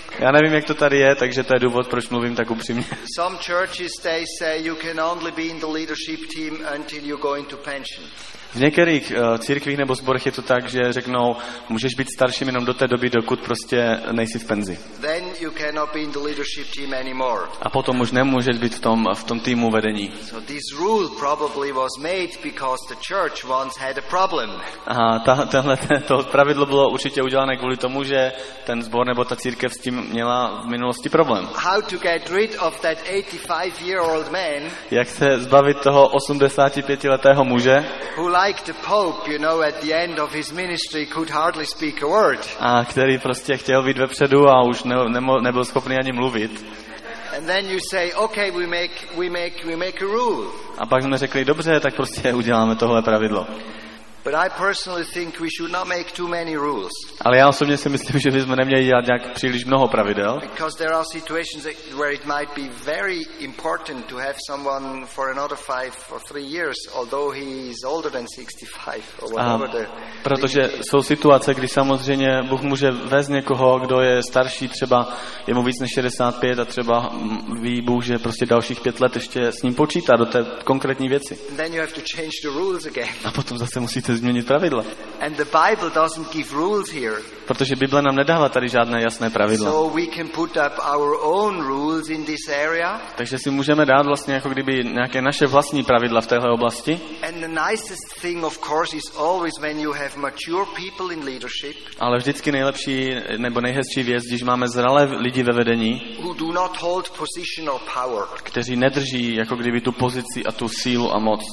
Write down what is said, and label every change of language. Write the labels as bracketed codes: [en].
[cs] Já nevím, jak to tady je, takže to je důvod, proč mluvím tak upřímně. [en] Some churches they say you can only be in the leadership team until you go into pension. [cs] V některých církvích nebo sborech je to tak, že řeknou, můžeš být starším jenom do té doby, dokud prostě nejsi v penzi. [en] Then you cannot be in the leadership team anymore. [cs] A potom už nemůžeš být v tom týmu vedení. [en] So this rule probably was made because the church once had a problem. [cs] Aha, to pravidlo bylo určitě udělané kvůli tomu, že ten sbor nebo ta církev s tím měla v minulosti problém. [en] How to get rid of that 85-year-old man? [cs] Jak se zbavit toho 85letého muže? [en] Like the Pope, you know, at the end of his ministry could hardly speak a word. [cs] A který prostě chtěl být vepředu a už nebyl schopný ani mluvit. [en] And then you say, okay, we make a rule. [cs] A pak jsme řekli, dobře, tak prostě uděláme tohle pravidlo. [en] But I personally think we should not make too many rules. [cs] Ale já osobně si myslím, že bychom neměli dělat nějak příliš mnoho pravidel. [en] Because there are situations where it might be very important to have someone for another 5 or 3 years, although he is older than 65 or whatever the. [cs] Protože jsou situace, kdy samozřejmě Bůh může vést někoho, kdo je starší, třeba je mu víc než 65 a třeba ví Bůh, že prostě dalších 5 let ještě s ním počítá do té konkrétní věci. [en] Then you have to change the rules again. [cs] A potom zase musí změnit pravidla. [en] And the Bible doesn't give rules here. [cs] Protože Bible nám nedává tady žádné jasné pravidla. [en] So we can put up our own rules in this area. [cs] Takže si můžeme dát vlastně jako kdyby nějaké naše vlastní pravidla v téhle oblasti. [en] And the nicest thing of course is always when you have mature people in leadership. [cs] Ale vždycky nejlepší nebo nejhezčí věc, když máme zralé lidi ve vedení. [en] Who do not hold position or power. [cs] Kteří nedrží jako kdyby tu pozici a tu sílu a moc.